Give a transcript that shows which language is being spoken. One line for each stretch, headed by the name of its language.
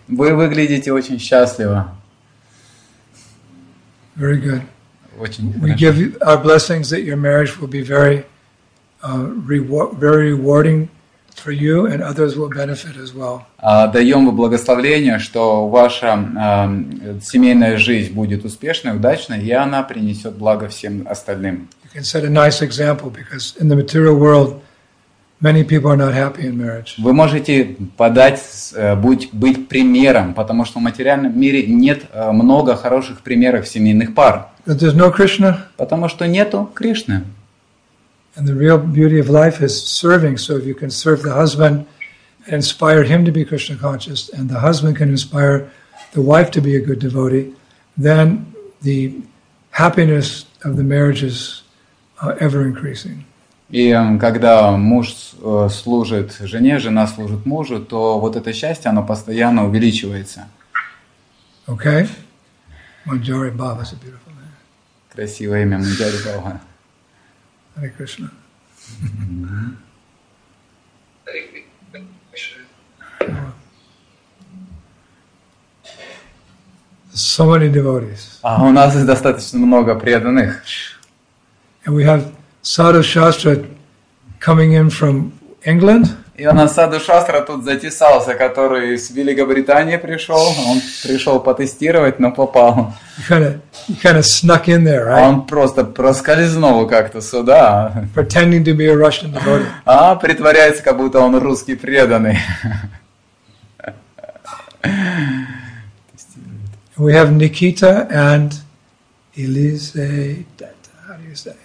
Russian: Вы выглядите очень счастливо.
English: Very good.
Russian: Очень хорошо.
English: We give our blessings that your marriage will be very, very rewarding for you, and others will benefit as well.
Russian: Даем вам благословение, что ваша семейная жизнь будет успешной, удачной, и она принесет благо всем остальным.
English: You can set a nice example, because in the material world, many people are not happy in marriage.
Russian: Вы можете подать, быть примером, потому что в материальном мире нет много хороших примеров семейных пар.
English: But there's no Krishna.
Russian: Потому что нету Кришны.
English: And the real beauty of life is serving. So if you can serve the husband and inspire him to be Krishna conscious, and the husband can inspire the wife to be a good devotee, then the happiness of the marriage is ever increasing.
Russian: И когда муж служит жене, жена служит мужу, то вот это счастье, оно постоянно увеличивается.
English: Okay. Manjari Baba is a beautiful name.
Russian: Красивое имя, Манджари Баба.
English: Hare Krishna. So many devotees.
Russian: А у нас достаточно много преданных.
English: And we have Sadhu Shastra coming in from England.
Russian: И у нас Саду Шастра тут затесался, который из Великобритании пришел. Он пришел потестировать, но попал.
English: He kind of snuck in there, right?
Russian: Он просто проскользнул как-то сюда.
English: Pretending to be a Russian devotee.
Russian: А, притворяется, как будто он русский преданный.
English: We have Nikita and Elisabetta. How do you say?